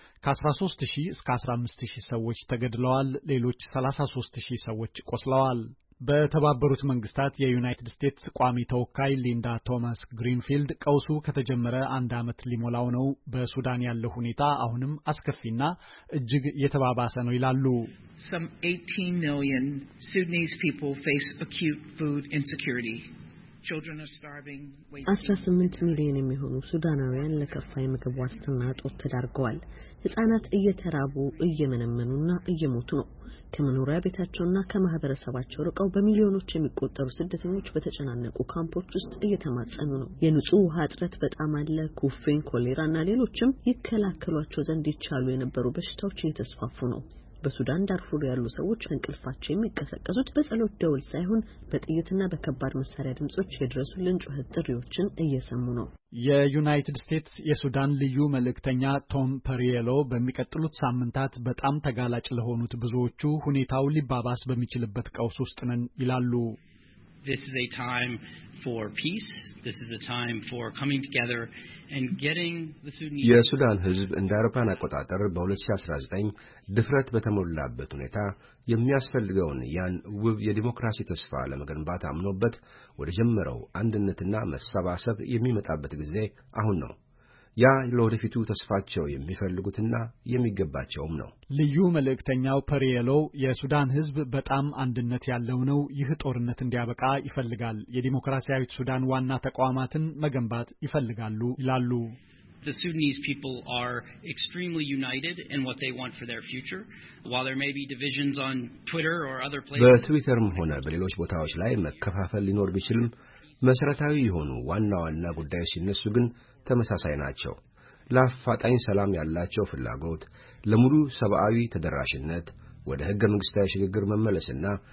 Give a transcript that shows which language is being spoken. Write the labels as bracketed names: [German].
[Amharic] ከ13000 እስከ 15000 ሰዎች ተገድለዋል። ሌሎች 33000 ሰዎች ቆስለዋል። በተባበሩት መንግስታት የዩናይትድ ስቴትስ ቋሚ ተወካይ ሊንዳ ቶማስ ግሪንፊልድ ቀውሱ ከተጀመረ አንድ አመት ሊሞላው ነው፣ በሱዳን ያለው ሁኔታ አሁንም አስከፊና እጅግ የተባባሰ ነው ይላሉ። [English] Some 18 million Sudanese people face acute food insecurity. Children are starving. [Amharic] 18 million የሚሆኑ ሱዳናውያን ለከፋ የምግብ ዋስትና እጦት ተዳርገዋል። ህፃናት እየተራቡ እየመነመኑና እየሞቱ ነው። ከመኖሪያ ቤታቸውና ከማህበረሰባቸው ርቀው በሚሊዮኖች የሚቆጠሩ ስደተኞች በተጨናነቁ ካምፖች ውስጥ እየተማጸኑ ነው። የንጹህ ውሃ እጥረት በጣም አለ። ኩፍኝ፣ ኮሌራና ሌሎችም ይከላከሏቸው ዘንድ ይቻሉ የነበሩ በሽታዎች እየተስፋፉ ነው። በሱዳን ዳርፉር ያሉ ሰዎች እንቅልፋቸው የሚቀሰቀሱት በጸሎት ደውል ሳይሆን በጥይትና በከባድ መሳሪያ ድምጾች የድረሱልን ጩኸት ጥሪዎችን እየሰሙ ነው። የዩናይትድ ስቴትስ የሱዳን ልዩ መልእክተኛ ቶም ፐሪየሎ በሚቀጥሉት ሳምንታት በጣም ተጋላጭ ለሆኑት ብዙዎቹ ሁኔታው ሊባባስ በሚችልበት ቀውስ ውስጥ ነን ይላሉ። [English] This is a time for peace. This is a time for coming together and getting the Sudanese [Amharic] የሱዳን ህዝብ እንዳርፋን አቆጣጠር በ2019 ድፍረት በተሞላበት ሁኔታ የሚያስፈልገውን ያን ውብ የዲሞክራሲ ተስፋ ለመገንባት አምኖበት ወደ ጀመረው አንድነትና መሳባሰብ የሚመጣበት ጊዜ አሁን ነው። ያ ለወደፊቱ ተስፋቸው የሚፈልጉትና የሚገባቸውም ነው። ልዩ መልእክተኛው ፐሪየሎ የሱዳን ህዝብ በጣም አንድነት ያለው ነው፣ ይህ ጦርነት እንዲያበቃ ይፈልጋል፣ የዲሞክራሲያዊት ሱዳን ዋና ተቋማትን መገንባት ይፈልጋሉ ይላሉ። [English] The Sudanese people are extremely united in what they want for their future. While there may be divisions on Twitter or other places, [Amharic] በትዊተርም ሆነ በሌሎች ቦታዎች ላይ መከፋፈል ሊኖር ቢችልም መሰረታዊ የሆኑ ዋና ዋና ጉዳዮች ሲነሱ ግን ተመሳሳይ ናቸው። ለአፋጣኝ ሰላም ያላቸው ፍላጎት፣ ለሙሉ ሰብአዊ ተደራሽነት፣ ወደ ህገ መንግስታዊ ሽግግር መመለስና